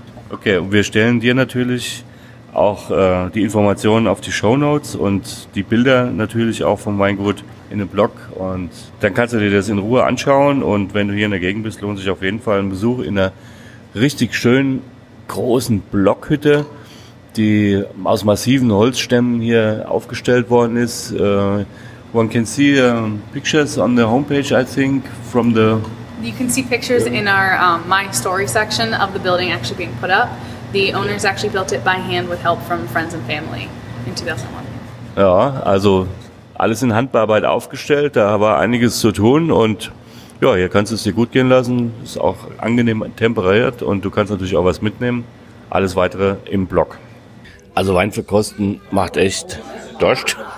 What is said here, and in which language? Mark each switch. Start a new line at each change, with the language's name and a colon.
German: Okay, wir stellen dir natürlich auch die Informationen auf die Shownotes und die Bilder natürlich auch vom Weingut in den Blog. Und dann kannst du dir das in Ruhe anschauen. Und wenn du hier in der Gegend bist, lohnt sich auf jeden Fall ein Besuch in einer richtig schönen, großen Blockhütte, die aus massiven Holzstämmen hier aufgestellt worden ist.
English: One can see pictures on the homepage, I think, from the... You can see pictures in our My Story section of the building actually being put up. The owners actually built it by hand with help from friends and family in 2001.
German: Ja, also alles in Handarbeit aufgestellt, da war einiges zu tun und... Ja, hier kannst du es dir gut gehen lassen. Ist auch angenehm temperiert und du kannst natürlich auch was mitnehmen. Alles weitere im Blog. Also Wein für Kosten macht echt Durst.